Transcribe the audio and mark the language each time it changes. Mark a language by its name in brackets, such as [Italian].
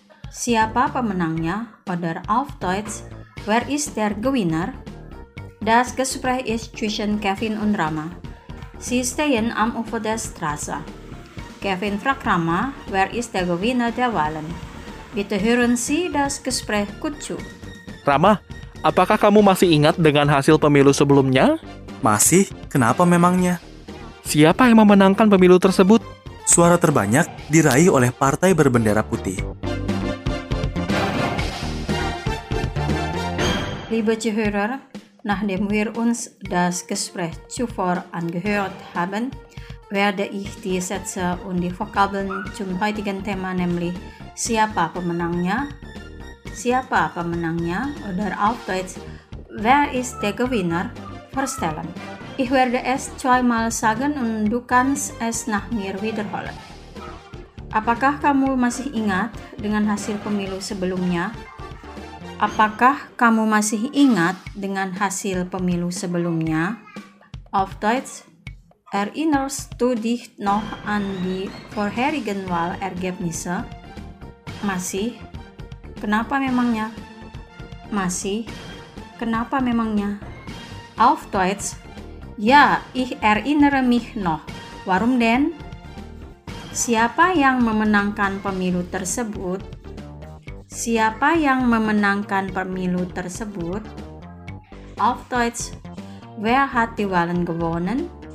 [Indonesian] Siapa Pemenangnya? [German] Oder auf Deutsch, [English] Where is [German] der Gewinner? Das Gespräch ist zwischen Kevin und Rama. Sie stehen am Ufer der Straße. Kevin fragt Rama, [English] Where is [German] der Gewinner der Wahlen? Bitte hören Sie das Gespräch kurz. [Indonesian] Rama, apakah kamu masih ingat dengan hasil pemilu sebelumnya? Masih, kenapa memangnya? Siapa yang memenangkan pemilu tersebut? Suara terbanyak diraih oleh partai berbendera putih. [German] Liebe Zuhörer, nachdem wir uns das Gespräch zuvor angehört haben, werde ich die Sätze und die Vokabeln zum heutigen Thema, nämlich [Indonesian] Siapa Pemenangnya? Siapa pemenangnya? [German] Oder auf Deutsch, [English] Where is the [German] Gewinner? Vorstellen. Ich werde es zweimal sagen und du kannst es nach mir wiederholen. [Indonesian] Apakah kamu masih ingat dengan hasil pemilu sebelumnya? Apakah kamu masih ingat dengan hasil pemilu sebelumnya? [German] Auf Deutsch, Erinnerst du dich noch an die vorherigen Wahlergebnisse? [Indonesian] Masih. Kenapa memangnya? Masih. Kenapa memangnya? [German] Auf Deutsch. Ja, ich erinnere mich noch. Warum denn? [Indonesian] Siapa yang memenangkan pemilu tersebut? Siapa yang memenangkan pemilu tersebut? [German] Auf Deutsch. Wer hat die Wahlen gewonnen?